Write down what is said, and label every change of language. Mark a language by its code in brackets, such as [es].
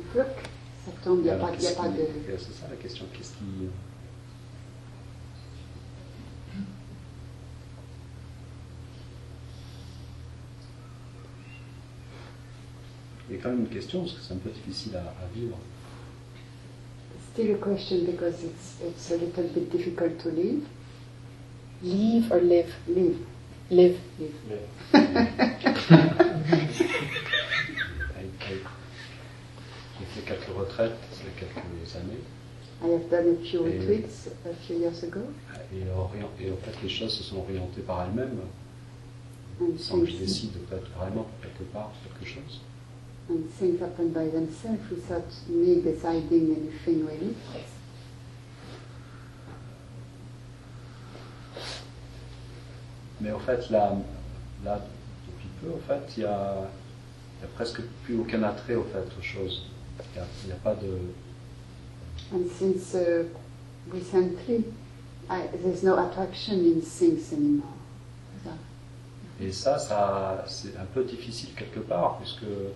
[fr] ça tombe, il n'y a pas de... C'est ça la question. Qu'est-ce qui... Il y a quand même une question, parce que c'est un peu difficile à vivre. [en] Still a question, because it's a little bit difficult to live. Leave or live? Live. Live. Live. [fr] J'ai fait quelques retraites, il y a quelques années. [en] I have done a few retreats a few years ago. [fr] Et en fait, les choses se sont orientées par elles-mêmes, sans que je décide de être vraiment quelque part, quelque chose. [en] And things happen by themselves without me deciding anything really. Yes. [fr] Mais en fait, là, depuis peu, en fait, il y a presque plus aucun attrait, en fait, aux choses. Il y a pas de. [en] And since recently, there's no attraction in things anymore. [fr] Et ça, c'est un peu difficile quelque part, puisque.